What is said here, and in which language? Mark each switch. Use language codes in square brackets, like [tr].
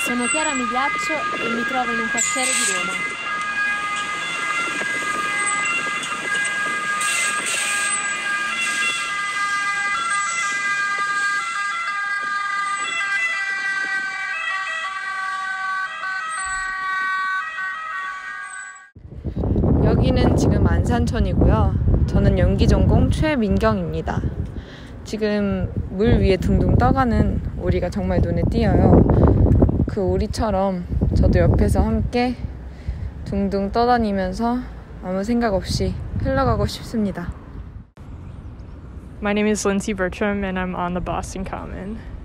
[it] E mi trovo in un quartiere di Roma. [ko] Yogi는 지금 안산천이고요. 저는 연기 전공 최민경입니다. 지금 물 위에 둥둥 떠가는 오리가 정말 눈에 띄어요. 그 오리처럼 저도 옆에서 함께 둥둥 떠다니면서 아무 생각 없이 흘러가고 싶습니다. [en] My name is Lindsay Bertram and I'm on the Boston Common.